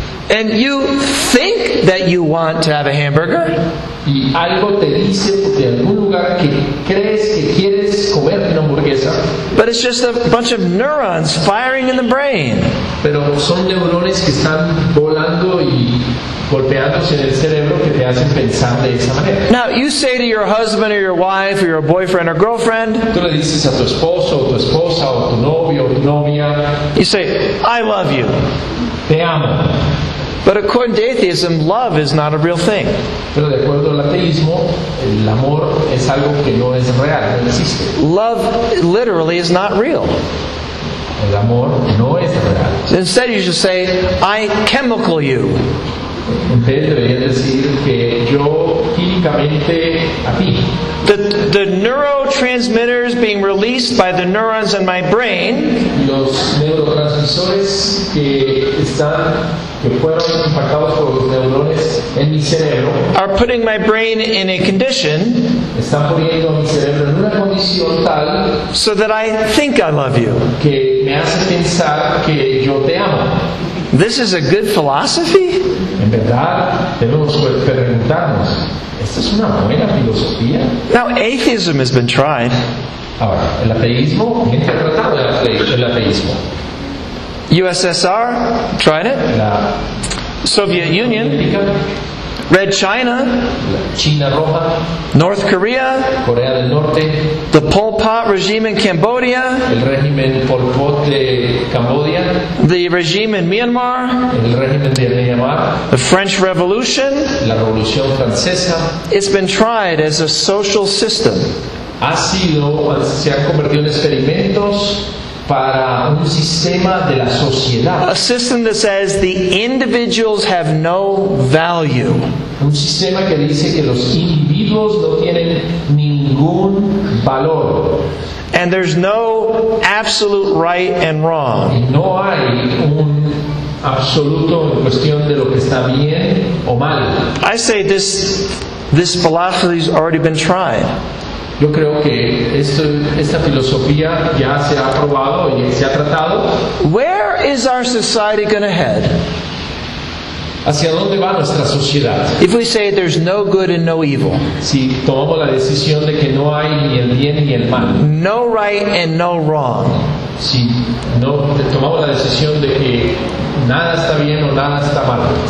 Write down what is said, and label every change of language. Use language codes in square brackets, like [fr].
[en] And you think that you want to have a hamburger. [es] Y algo te dice de algún lugar que crees que quieres comer una hamburguesa. [en] But it's just a bunch of neurons firing in the brain. [es] Pero son neurones que están volando y golpeándose en el cerebro que te hacen pensar de esa manera. [en] Now you say to your husband or your wife or your boyfriend or girlfriend. [es] Tú le dices a tu esposo o tu esposa o tu novio o tu novia. [en] You say, I love you. [es] Te amo. [en] But according to atheism, love is not a real thing. [es] Pero de acuerdo al ateísmo, el amor es algo que no es real, no existe. [en] Love literally is not real. [es] El amor no es real. [en] Instead, you should say, I chemical you. [es] En vez de decir que yo químicamente físicamente a ti. [en] The neurotransmitters being released by the neurons in my brain. [es] Los neurotransmisores que están que fueron impactados por los neurones en mi cerebro [en] are putting my brain in a condition [es] están poniendo mi cerebro en una condición tal [en] so that I think I love you. [es] Que me hace pensar que yo te amo. [en] This is a good philosophy? [es] En verdad, tenemos que preguntarnos. ¿Esta es una buena filosofía? [en] Now, atheism has been tried. [es] Ahora, el ateísmo, bien tratado el ateísmo. [en] USSR tried it. [es] La [en] Soviet Union. Red China. [es] La China Roja. [en] North Korea. [es] Corea del Norte. [en] The Pol Pot regime in Cambodia. [es] El régimen Pol Pot de Cambodia. [en] The regime in Myanmar. [es] El régimen de Myanmar. [en] The French Revolution. [es] La Revolución Francesa. [en] It's been tried as a social system. [es] Ha sido, se han convertido en experimentos. Para un sistema de la sociedad. [en] A system that says the individuals have no value. [es] Un sistema que dice que los individuos no tienen ningún valor. [en] And there's no absolute right and wrong. [es] Y no hay un absoluto en cuestión de lo que está bien o mal. [en] I say this philosophy has already been tried. [es] Yo creo que esta filosofía ya se ha probado y se ha tratado. [en] Where is our society going to head? [es] ¿Hacia dónde va nuestra sociedad? [en] If we say there's no good and no evil. [es] Si tomamos la decisión de que no hay ni el bien ni el mal. [en] No right and no wrong. [es] Si no tomamos la decisión de que nada está bien o nada está mal.